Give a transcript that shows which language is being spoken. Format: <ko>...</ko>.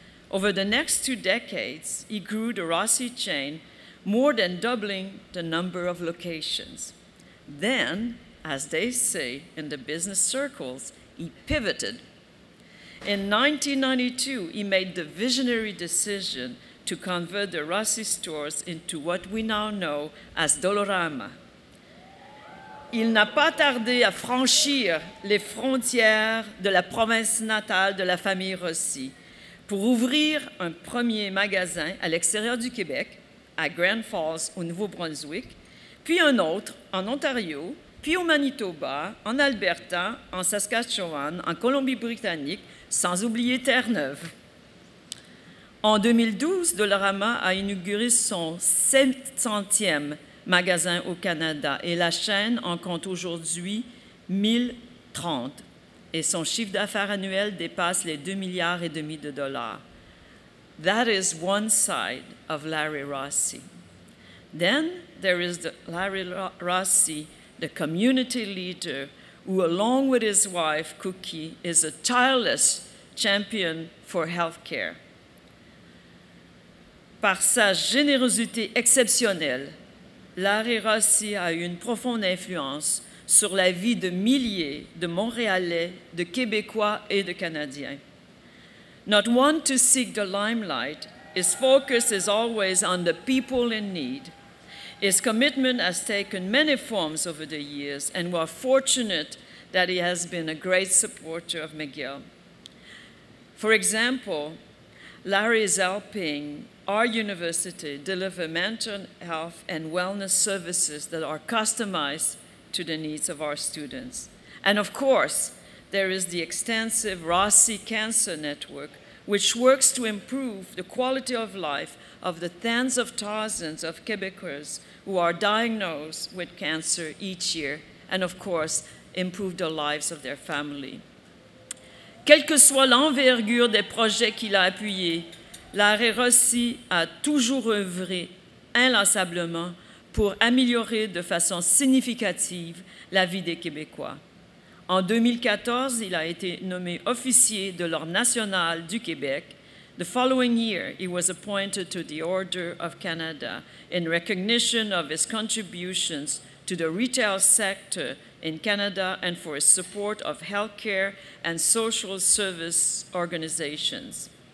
<en>Over the next two decades, he grew the Rossy chain, more than doubling the number of locations. Then, as they say in the business circles, he pivoted. In 1992, he made the visionary decision to convert the Rossy stores into what we now know as Dollarama.</en> <fr>Il n'a pas tardé à franchir les frontières de la province natale de la famille Rossy pour ouvrir un premier magasin à l'extérieur du Québec, à Grand Falls, au Nouveau-Brunswick, puis un autre en Ontario, puis au Manitoba, en Alberta, en Saskatchewan, en Colombie-Britannique, sans oublier Terre-Neuve. En 2012, Dollarama a inauguré son 700e magasin au Canada et la chaîne en compte aujourd'hui 1030 et son chiffre d'affaires annuel dépasse les 2,5 milliards de dollars.</fr> <en>That is one side of Larry Rossy. Then there is the Larry Rossy, the community leader, who along with his wife, Cookie, is a tireless champion for healthcare.</en> <fr>Par sa générosité exceptionnelle, Larry Rossy a eu une profonde influence sur la vie de milliers de Montréalais, de Québécois et de Canadiens.</fr> <en>Not one to seek the limelight, his focus is always on the people in need. His commitment has taken many forms over the years, and we are fortunate that he has been a great supporter of McGill. For example, Larry is helping our university deliver mental health and wellness services that are customized to the needs of our students. And of course, there is the extensive Rossy Cancer Network, which works to improve the quality of life of the tens of thousands of Quebecers who are diagnosed with cancer each year, and of course, improve the lives of their family.</en> <fr>Quelle que soit l'envergure des projets qu'il a appuyés, Larry Rossy a toujours œuvré inlassablement pour améliorer de façon significative la vie des Québécois. En 2014, il a été nommé officier de l'Ordre national du Québec.</fr> <en>The following year, he was appointed to the Order of Canada in recognition of his contributions to the retail sector in Canada and for his support of healthcare and social service organizations.</en>